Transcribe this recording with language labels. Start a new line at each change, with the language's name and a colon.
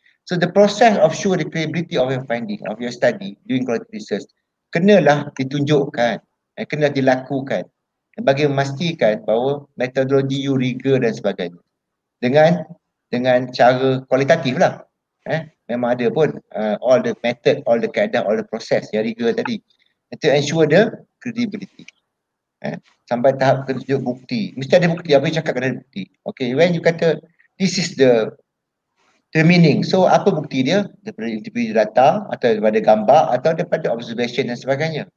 English: So the process of sure the credibility of your finding, of your study, doing quality research,
Malay: kenalah ditunjukkan, kenalah dilakukan bagi memastikan bahawa methodology you rigor dan sebagainya. Dengan cara kualitatif lah. Memang ada pun
English: all the method,
Malay: all the kaedah, all the process yang rigor tadi.
English: To ensure the credibility.
Malay: Sampai tahap tunjuk bukti. Mesti ada bukti, apa yang cakap kena ada bukti.
English: Okay, when you kata this is the meaning.
Malay: So apa bukti dia? Daripada interview data atau daripada gambar atau daripada observation dan sebagainya.